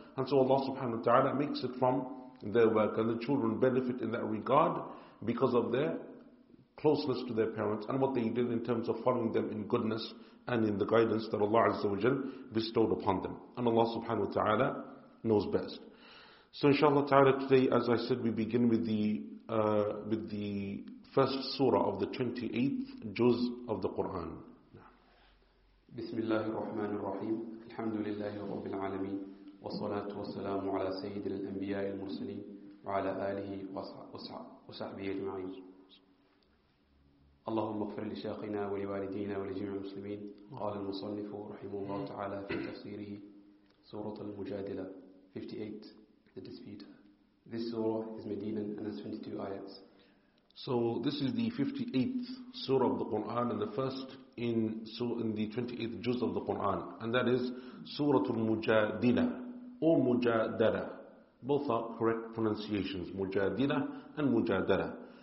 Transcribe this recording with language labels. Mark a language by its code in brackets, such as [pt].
[en] And so Allah subhanahu wa ta'ala makes it from their work, and the children benefit in that regard because of their closeness to their parents and what they did in terms of following them in goodness and in the guidance that Allah Azza wa Jal bestowed upon them. And Allah subhanahu wa ta'ala knows best. So inshallah ta'ala, today, as I said, we begin with the first surah of the 28th juz of the Quran. [ar] Bismillahir Rahmanir Rahim. Alhamdulillahi Rabbil Alameen. والصلاة والسلام على سيد الأنبياء المرسلين وعلى آله وصحبه أجمعين. اللهم اغفر لشيخنا ولوالدينا ولجميع المسلمين. قال المصنف رحمه الله تعالى في تفسيره سورة المجادلة 58, [en] The Dispute. This surah is Medinan and has 22 ayats. So this is the 58th surah of the Quran and the first in the 28th juz of the Quran, and that is Surah Al-Mujadila or Mujadala. Both are correct pronunciations, Mujadila and Mujadala.